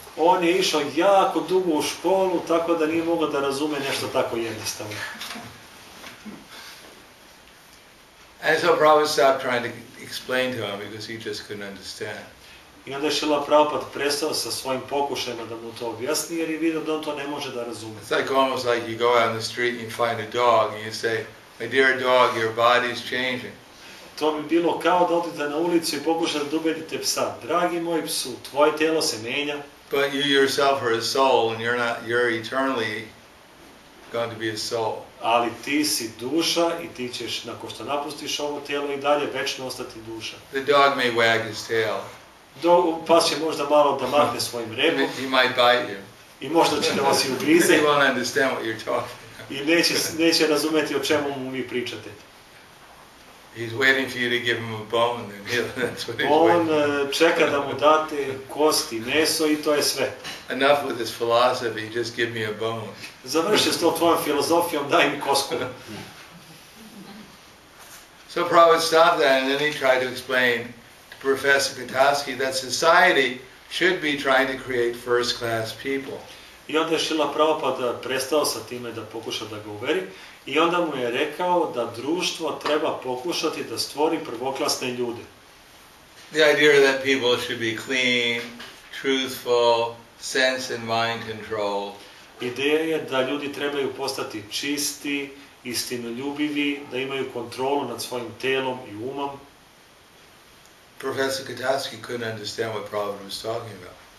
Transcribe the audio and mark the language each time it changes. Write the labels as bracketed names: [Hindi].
[Serbian] On je išao jako dugo u školu, tako da nije mogao da razume nešto tako jednostavno. [English] And so Prabhupada stopped trying to explain to him because he just couldn't understand. [Serbian] I onda je Šila Prabhupada prestao sa svojim pokušajima da mu to objasni, jer je vidio da on to ne može da razume. [English] It's like almost like you go out on the street and you find a dog and you say, my dear dog, your body is changing. [Serbian] To bi bilo kao da odite na ulicu i pokušate da ubedite psa. Dragi moj psu, tvoje telo se menja. [English] But you yourself are a soul and you're eternally going to be a soul. [Serbian] Ali ti si duša i ti ćeš, nakon što napustiš ovo tijelo, i dalje večno ostati duša. [English] The dog may wag his tail. [Serbian] Pas će možda malo da mahne svojim repom. [English] He might bite you. [Serbian] I možda će da vas i ugrize. [English] He won't understand what you're talking. [Serbian] I neće razumjeti o čemu mu vi pričate. [English] He's waiting for you to give him a bone and he'll, that's what he's [Serbian] on čeka da mu date kosti, meso i to je sve. [English] Enough with this philosophy, just give me a bone. [Serbian] Završi s tom tvojom filozofijom, daj mi kosku. [English] So Prabhupada stopped that and then he tried to explain to Professor Katowski that society should be trying to create first class people. [Serbian] I onda je Šila Prabhupada prestao sa time da pokuša da ga uveri. I onda mu je rekao da društvo treba pokušati da stvori prvoklasne ljude. [English] The idea that people should be clean, truthful, sense and mind control. [Serbian] Ideja je da ljudi trebaju postati čisti, istinoljubivi, da imaju kontrolu nad svojim telom i umom. [English] Professor Katowski couldn't understand what Prabhupada was talking about.